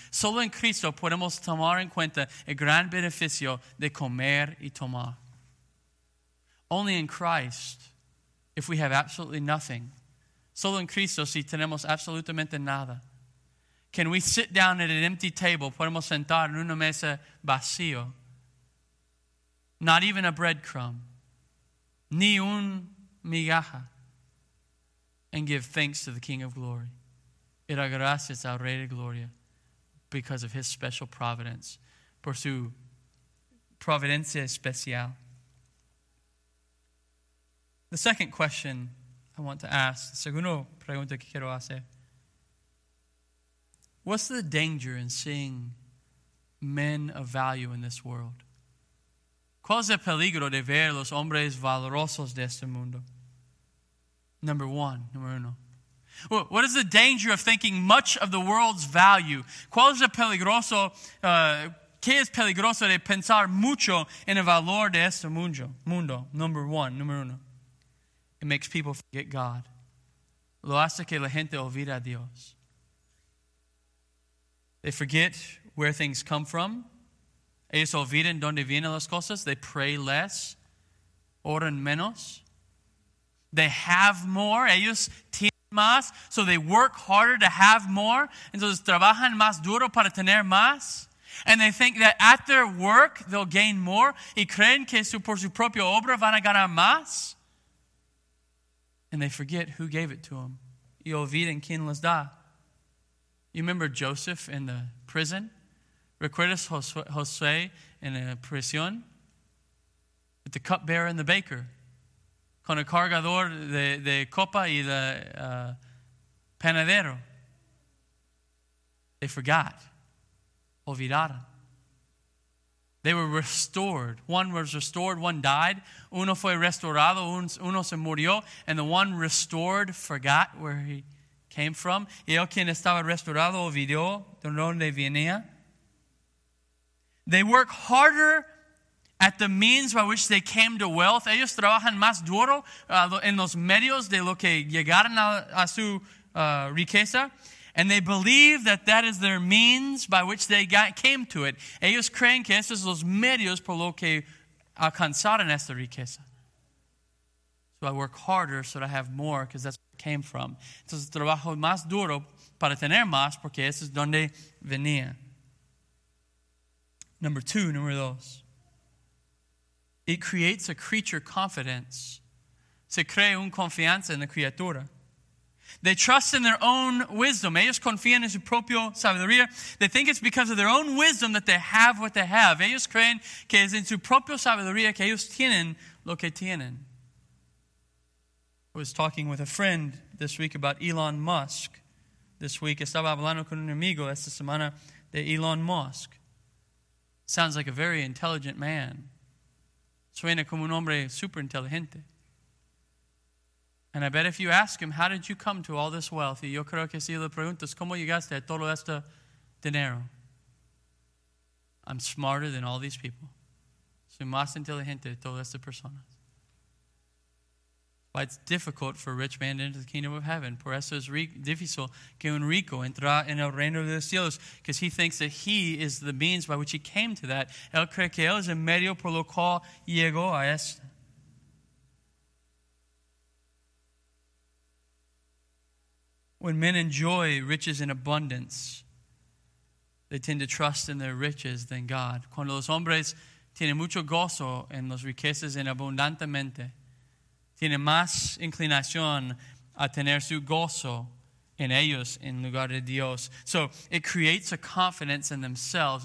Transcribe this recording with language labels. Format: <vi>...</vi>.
<es>Solo en Cristo podemos tomar en cuenta el gran beneficio de comer y tomar.</es> <en>Only in Christ, if we have absolutely nothing.</en> <es>Solo en Cristo, si tenemos absolutamente nada.</es> <en>Can we sit down at an empty table?</en> <es>Podemos sentar en una mesa vacío.</es> <en>Not even a breadcrumb,</en> <es>ni un migaja,</es> <en>and give thanks to the King of Glory.</en> <es>Y dar gracias al Rey de Gloria</es> <en>because of his special providence,</en> <es>por su providencia especial.</es> <en>The second question I want to ask,</en> <es>la segunda pregunta que quiero hacer,</es> <en>what's the danger in seeing men of value in this world?</en> <es>¿Cuál es el peligro de ver los hombres valerosos de este mundo?</es> <en>Number one. Well, what is the danger of thinking much of the world's value?</en> <es>¿Cuál es el peligroso, qué es peligroso de pensar mucho en el valor de este mundo?</es> <en>Number one. It makes people forget God.</en> <es>Lo hace que la gente olvide a Dios.</es> <en>They forget where things come from.</en> <es>Ellos olvidan donde vienen las cosas.</es> <en>They pray less.</en> <es>Oran menos.</es> <en>They have more.</en> <es>Ellos tienen más.</es> <en>So they work harder to have more.</en> <es>Entonces trabajan más duro para tener más.</es> <en>And they think that at their work, they'll gain more.</en> <es>Y creen que por su propia obra van a ganar más.</es> <en>And they forget who gave it to them.</en> <es>Y olvidan quién les da.</es> <en>You remember Joseph in the prison?</en> <es>¿Recuerdas José en la prisión?</es> <en>With the cupbearer and the baker.</en> <es>Con el cargador de copa y el panadero.</es> <en>They forgot.</en> <es>Olvidaron.</es> <en>They were restored. One was restored, one died.</en> <es>Uno fue restaurado, uno se murió.</es> <en>And the one restored forgot where he came from.</en> <es>Y el quien estaba restaurado olvidó de donde venía.</es> <en>They work harder at the means by which they came to wealth.</en> <es>Ellos trabajan más duro en los medios de lo que llegaron a su riqueza.</es> <en>And they believe that that is their means by which they came to it.</en> <es>Ellos creen que esos son los medios por lo que alcanzaron esta riqueza.</es> <en>So I work harder so that I have more because that's where I came from.</en> <es>Entonces trabajo más duro para tener más porque eso es donde venía.</es> <en>Number dos. It creates a creature confidence.</en> <es>Se crea un confianza en la criatura.</es> <en>They trust in their own wisdom.</en> <es>Ellos confían en su propio sabiduría.</es> <en>They think it's because of their own wisdom that they have what they have.</en> <es>Ellos creen que es en su propio sabiduría que ellos tienen lo que tienen.</es> <en>I was talking with a friend this week about Elon Musk. This week</en> <es>estaba hablando con un amigo esta semana de Elon Musk.</es> <en>Sounds like a very intelligent man.</en> <es>Suena como un hombre super inteligente.</es> <en>And I bet if you ask him, how did you come to all this wealth?</en> <es>Y yo creo que si le preguntas, ¿cómo llegaste a todo este dinero?</es> <en>I'm smarter than all these people.</en> <es>Soy más inteligente de todas estas personas.</es> <en>Why it's difficult for a rich man to enter the kingdom of heaven.</en> <es>Por eso es difícil que un rico entra en el reino de los cielos.</es> <en>Because he thinks that he is the means by which he came to that.</en> <es>Él cree que él es el medio por lo cual llegó a esto.</es> <en>When men enjoy riches in abundance, they tend to trust in their riches than God.</en> <es>Cuando los hombres tienen mucho gozo en las riquezas en abundantemente, tiene más inclinación a tener su gozo en ellos en lugar de Dios.</es> <en>So it creates a confidence in themselves.</en>